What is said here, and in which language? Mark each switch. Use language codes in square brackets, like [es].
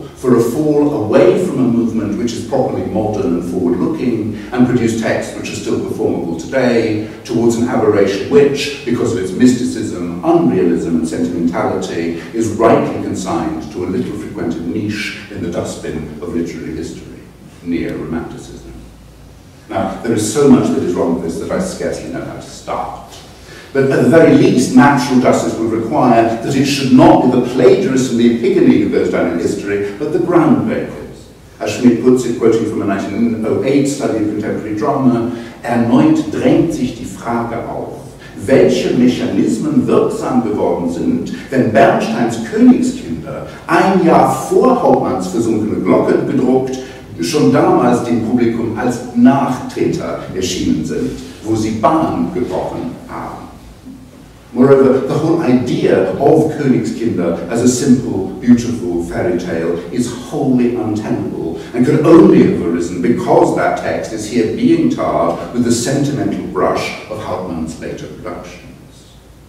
[en] for a fall away from a movement which is properly modern and forward-looking and produce texts which are still performable today, towards an aberration which, because of its mysticism, unrealism and sentimentality, is rightly consigned to a little frequented niche in the dustbin of literary history, neo-romanticism. Now, there is so much that is wrong with this that I scarcely know how to start. But at the very least, natural justice would require that it should not be the plagiarist and the epigony who goes down in history, but the groundbreakers. As Schmidt puts it, quoting from a 1908 study of contemporary drama, [de] erneut drängt sich die Frage auf, welche Mechanismen wirksam geworden sind, wenn Bernsteins Königskinder ein Jahr vor Hauptmanns versunkene Glocke gedruckt, schon damals dem Publikum als Nachtreter erschienen sind, wo sie Bahn gebrochen haben. [en] Moreover, the whole idea of Königskinder as a simple, beautiful fairy tale is wholly untenable and could only have arisen because that text is here being tarred with the sentimental brush of Hauptmann's later productions.